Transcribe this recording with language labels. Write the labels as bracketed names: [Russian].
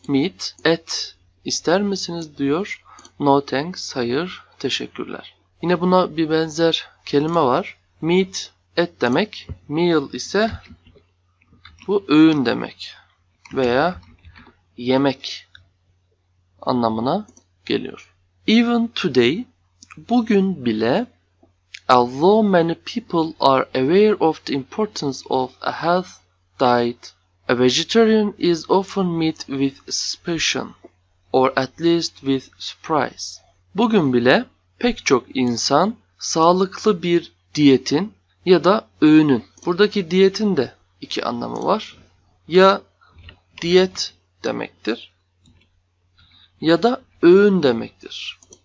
[Turkish] Meat, et ister misiniz diyor. [English] No thanks. [Turkish] Hayır, teşekkürler. Yine buna bir benzer kelime var. Meat, et demek. Meal ise bu öğün demek veya yemek anlamına geliyor. [English] Even today, [Turkish] bugün bile, [English] although many people are aware of the importance of a health diet, a vegetarian is often met with suspicion or at least with surprise. [Turkish] Bugün bile pek çok insan sağlıklı bir diyetin ya da öğünün, buradaki diyetin de iki anlamı var. Ya diyet demektir ya da öğün demektir.